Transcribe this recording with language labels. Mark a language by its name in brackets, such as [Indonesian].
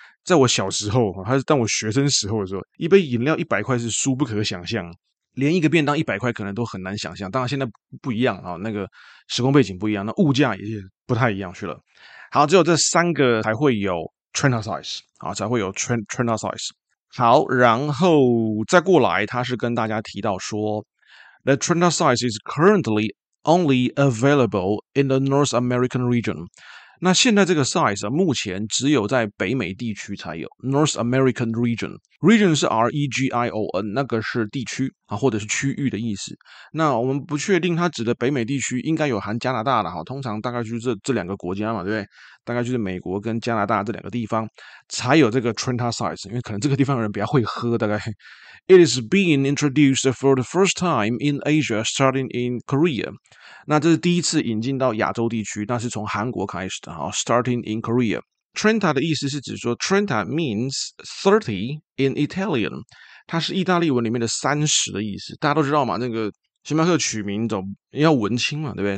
[Chinese] 在我小时候，还是当我学生时候的时候，一杯饮料100块是殊不可想象，连一个便当100块可能都很难想象。当然现在不一样啊，那个时空背景不一样，那物价也不太一样去了。好，只有这三个才会有 trendosize 啊，才会有 trendosize。好，然后再过来，他是跟大家提到说， [English] the trendosize is currently only available in the North American region。 [Chinese] 那现在这个 size 啊，目前只有在北美地区才有 [English] North American region。 [Chinese] region 是 region，那个是地区啊，或者是区域的意思。那我们不确定它指的北美地区应该有含加拿大的哈，通常大概就是这两个国家嘛，对不对？大概就是美国跟加拿大这两个地方才有这个 trendosize，因为可能这个地方的人比较会喝，大概。 [English] It is being introduced for the first time in Asia, starting in Korea。 [Chinese] 那这是第一次引进到亚洲地区，那是从韩国开始的哈， [English] starting in Korea。 [Chinese] Trenta 的意思是指说， [English] Trenta means 30 in Italian， [Chinese] 它是意大利文里面的30的意思。大家都知道嘛，那个星巴克取名总要文青嘛，对不对？